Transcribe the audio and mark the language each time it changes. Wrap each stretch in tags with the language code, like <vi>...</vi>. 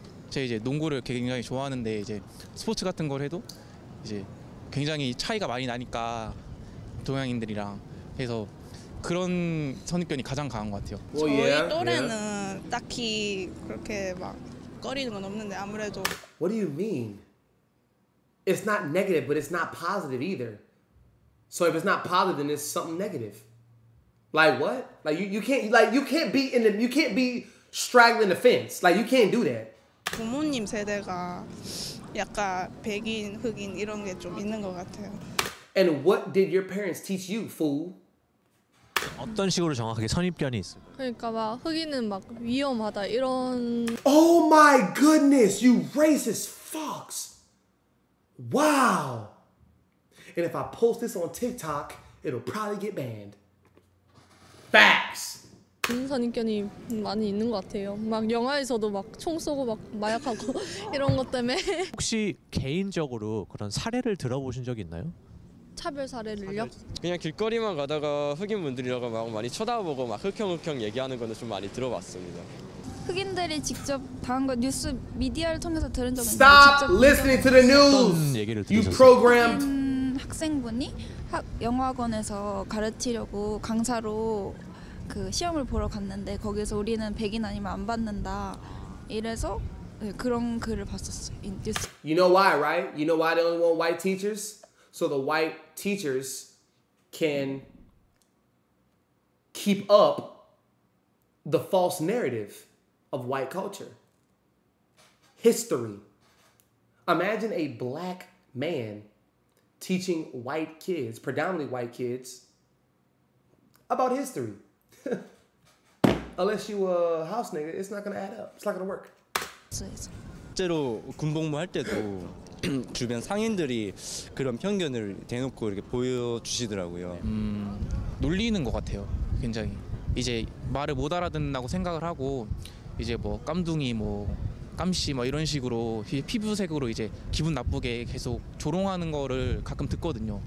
<ko>제가 이제 농구를 굉장히 좋아하는데 이제 스포츠 같은 걸 해도 이제 굉장히 차이가 많이 나니까 동양인들이랑 그래서 그런 선입견이 가장 강한 것 같아요. 저희 또래는 딱히 그렇게 막 꺼리는 건 없는데 아무래도</ko> <en>What do you mean? It's not negative, but it's not positive either. So if it's not positive, then it's something negative. Like what? Like you can't be straddling the fence. Like you can't do that.</en> <ko>부모님 세대가 약간 백인 흑인 이런 게 좀 있는 것 같아요.</ko> <en>And what did your parents teach you, fool?</en> <ko>어떤 식으로 정확하게 선입견이 있어? 그러니까 막 흑인은 막 위험하다 이런.</ko> <en>Oh my goodness, you racist fucks! Wow. And if I post this on TikTok, it'll probably get banned. Facts.</en> <ko>그런 선입견이 많이 있는 것 같아요. 막 영화에서도 막 총 쏘고 막 마약하고 이런 것 때문에. 혹시 개인적으로 그런 사례를 들어보신 적 있나요? 차별 사례를 요 그냥 길거리만 가다가 흑인 분들이라고 막 많이 쳐다보고 막 흑형 얘기하는 거는 좀 많이 들어봤습니다. 흑인들이 직접 당한 거 뉴스 미디어를 통해서 들은 적은 있어요.</ko> <en>Stop listening to the news. You programmed.</en> <ko>학생분이 영어학원에서 가르치려고 강사로 그 시험을 보러 갔는데 거기서 우리는 백인 아니면 안 받는다. 이래서 그런 글을 봤었어요. 뉴스.</ko> <en>You know why, right? You know why they only want white teachers? So the white teachers can keep up the false narrative of white culture. History. Imagine a black man teaching white kids, predominantly white kids, about history. Unless you a house nigga, it's not gonna add up. It's not gonna work.</en> <ko>실제로 군복무 할 때도 주변 상인들이 그런 편견을 대놓고 이렇게 보여주시더라고요. 놀리는 것 같아요. 굉장히 이제 말을 못 알아듣는다고 생각을 하고 이제 뭐 깜둥이 뭐 깜씨 뭐 이런 식으로 피부색으로 이제 기분 나쁘게 계속 조롱하는 거를 가끔 듣거든요.</ko>